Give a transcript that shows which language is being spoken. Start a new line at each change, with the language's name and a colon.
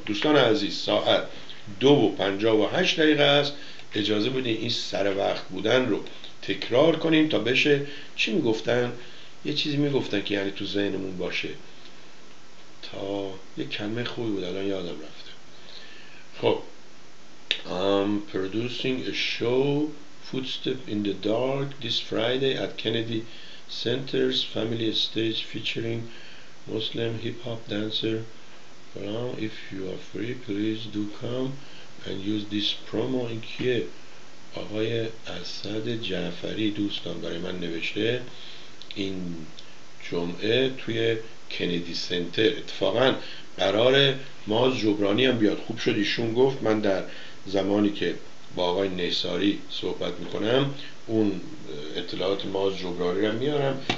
Persian: دوستان عزیز، ساعت 2:58 است. اجازه بدین این سر وقت بودن رو تکرار کنیم تا بشه چی میگفتن؟ یه چیزی میگفتن که یعنی تو ذهنمون باشه، تا یه کلمه خوبی بود الان یادم رفته.
English: خب I'm producing a show Footstep in the Dark this Friday at Kennedy Center's Family Stage featuring Muslim hip hop dancer. Well, if you are free, please do come and use this promo in Kiev.
Persian: آقای اسد جعفری دوستان برای من نوشته این جمعه توی کندی سنتر. اتفاقا قراره ماز جبرانی هم بیاد. خوب شد ایشون گفت، من در زمانی که با آقای نیساری صحبت میکنم، اون اطلاعات ماز جبرانی رو میارم.